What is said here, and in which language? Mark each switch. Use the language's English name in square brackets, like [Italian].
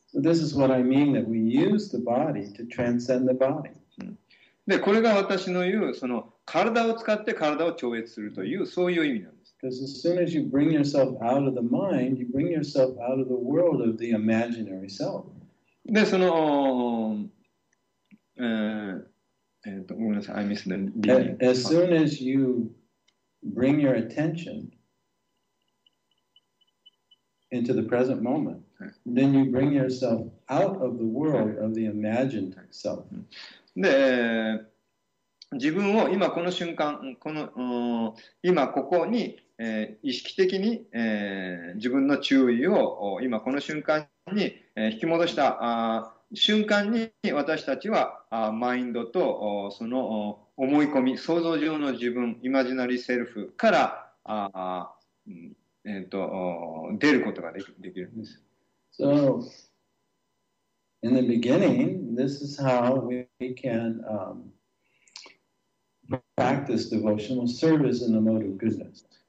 [English] So this is what I mean, that we use the body to transcend the body. [Japanese] で、これが私の言う、その体を使って体を超越するという、そういう意味なんです。 [English] Because as soon as you bring yourself out of the mind, you bring yourself out of the world of the imaginary self. [Japanese] で、その、 [English] I missed the beginning. As soon as you bring your attention into the present moment, then you bring yourself out of the world of the imagined self. [Japanese] で、自分を今この瞬間、この、今ここに、意識的に、自分の注意を今この瞬間に、引き戻した瞬間に私たちはマインドとその思い込み、想像上の自分、イマジナリーセルフから出ることができるんです。 [English] So, in the beginning, this is how we can practice devotional service in the mode of goodness.